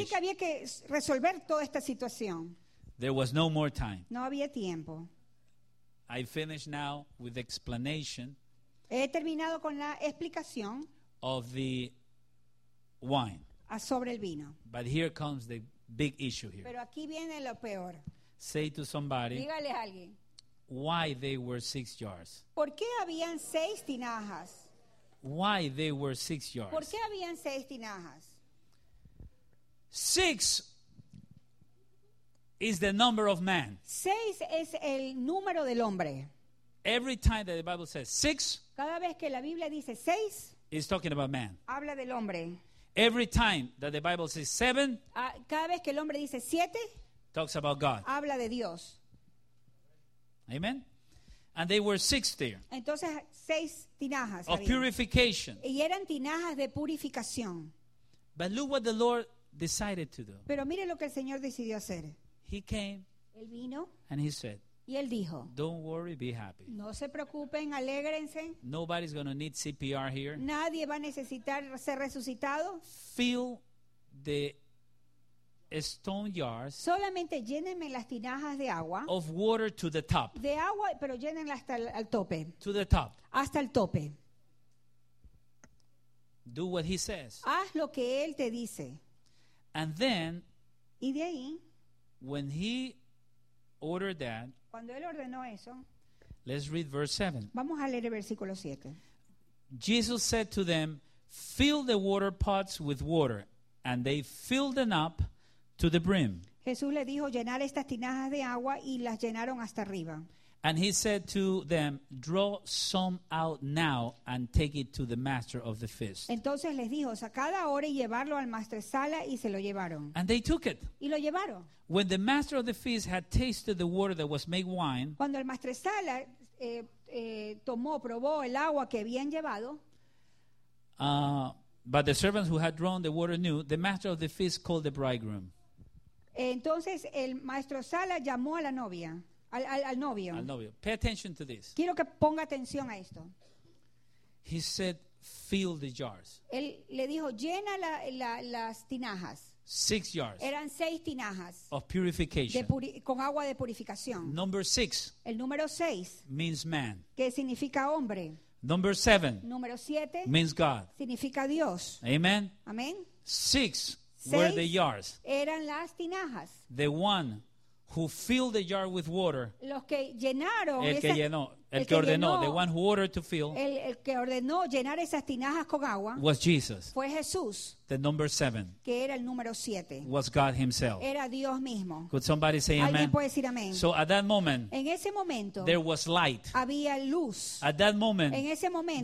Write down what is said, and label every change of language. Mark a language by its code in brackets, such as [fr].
[es] Así que había que resolver toda esta situación. [en] There was no more time. [es] No había tiempo. [en] I finish now with the explanation. [es] He terminado con la explicación [en] of the wine. [es] Sobre el vino. [en] But here comes the big issue here. [es] Pero aquí viene lo peor. [en] Say to somebody. [es] Dígale a alguien. [en] Why they were 6 jars? [es] ¿Por qué habían 6 tinajas? [en] Why they were 6 jars? [es] ¿Por qué habían 6 tinajas? [en] 6 is the number of man. [es] 6 es el número del hombre. [en] Every time that the Bible says 6, [es] cada vez que la Biblia dice 6, [en] it's talking about man. [es] Habla del hombre. [en] Every time that the Bible says 7, [es] cada vez que el hombre dice 7, [en] talks about God. [es] Habla de Dios. [en] Amen. And they were 6 there. [es] Entonces 6 tinajas. [en] Of purification. [es] Y eran tinajas de purificación. [en] But look what the Lord decided to do. [es] Pero mire lo que el Señor decidió hacer. [en] He came. [es] Él vino. [en] And he said. [es] Y él dijo. [en] Don't worry, be happy. [es] No se preocupen, alégrense. [en] Nobody's going to need CPR here. [es] Nadie va a necesitar ser resucitado. [en] Fill the stone jars. [es] Solamente llénenme las tinajas de agua. [en] Of water to the top. [es] De agua, pero llénenla hasta el tope. [en] To the top. [es] Hasta el tope. [en] Do what he says. [es] Haz lo que él te dice. [en] And then, [es] y de ahí, [en] when he ordered that, [es] cuando él ordenó eso, [en] let's read verse 7. [es] Vamos a leer el versículo 7. [en] Jesus said to them, fill the water pots with water, and they filled them up to the brim. [es] Jesús le dijo llenar estas tinajas de agua y las llenaron hasta arriba. [en] And he said to them, draw some out now and take it to the master of the feast. [es] Entonces les dijo, sacad ahora y llevarlo al maestresala, y se lo llevaron. [en] And they took it. [es] Y lo llevaron. [en] When the master of the feast had tasted the water that was made wine, [es] cuando el maestresala tomó, probó el agua que habían llevado, [en] but the servants who had drawn the water knew, the master of the feast called the bridegroom. [es] Entonces el maestro sala llamó a la novia, al novio. Al novio. [en] Pay attention to this. [es] Quiero que ponga atención a esto. [en] He said, fill the jars. [es] Él le dijo, llena las tinajas. [en] 6 jars. [es] Eran 6 tinajas. [en] Of purification. [es] Con agua de purificación. [en] Number 6. [es] El número 6. [en] Means man. [es] Que significa hombre. [en] Number 7. [es] Número 7. [en] Means God. [es] Significa Dios. [en] Amen. [es] Amén. [en] 6. Were the jars. [es] Eran las tinajas. [en] The one who filled the jar with water. [es] Los que llenaron. El que llenó. El que ordenó. [en] The one who ordered to fill. [es] El que ordenó llenar esas tinajas con agua. [en] Was Jesus. [es] Fue Jesús. [en] The number 7. [es] Que era el número 7. [en] Was God himself. [es] Era Dios mismo. [en] Could somebody say amen? [es] Alguien puede decir amén. [en] So at that moment. [es] En ese momento. [en] There was light. [es] Había luz. [en] At that moment. [es] En ese momento.